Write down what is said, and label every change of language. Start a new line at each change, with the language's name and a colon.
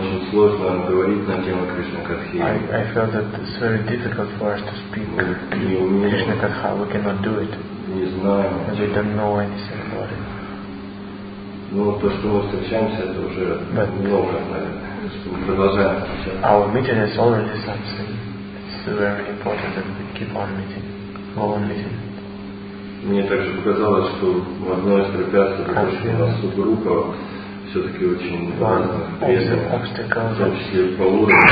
English: I felt that it's very difficult for us to speak Krishna Katha. We cannot do it. We don't know anything about it.
Russian: Но то, что мы встречаемся, это уже
English: but
Russian: много, наверное. Мы продолжаем встречаться.
English: Our meeting is already something. It's very important that we keep on meeting, long meeting.
Russian: Мне также показалось, что одно из препятствий, потому что у нас группа все-таки очень разная, в том числе по уровню.